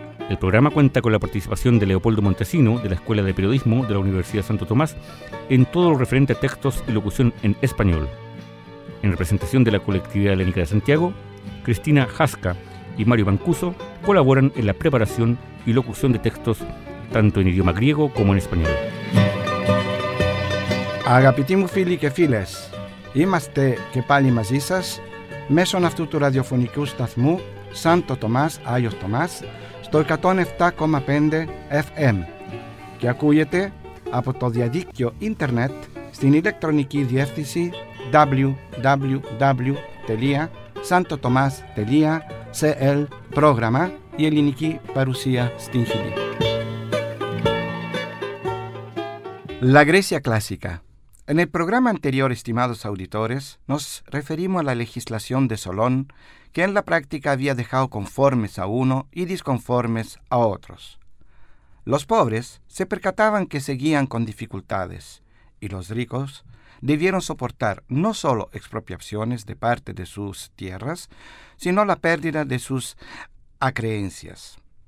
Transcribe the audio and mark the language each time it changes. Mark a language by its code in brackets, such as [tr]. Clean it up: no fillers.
[es] El programa cuenta con la participación de Leopoldo Montesino, de la Escuela de Periodismo de la Universidad Santo Tomás, en todo lo referente a textos y locución en español. En representación de la Colectividad Helénica de Santiago, Cristina Jasca y Mario Mancuso colaboran en la preparación y locución de textos, tanto en idioma griego como en español. [el] Αγαπητοί φίλοι και φίλες, είμαστε και πάλι μαζί σας μέσω αυτού του ραδιοφωνικού σταθμού Σάντο Τομάς, Άγιος Τομάς, στο 107,5 FM και ακούγεται από το διαδίκτυο ίντερνετ στην ηλεκτρονική διεύθυνση www.santotomas.cl πρόγραμμα η ελληνική παρουσία στην Χιλή. [es] La Grecia Clásica. En el programa anterior, estimados auditores, nos referimos a la legislación de Solón, que en la práctica había dejado conformes a uno y disconformes a otros. Los pobres se percataban que seguían con dificultades, y los ricos debieron soportar no solo expropiaciones de parte de sus tierras, sino la pérdida de sus acreencias.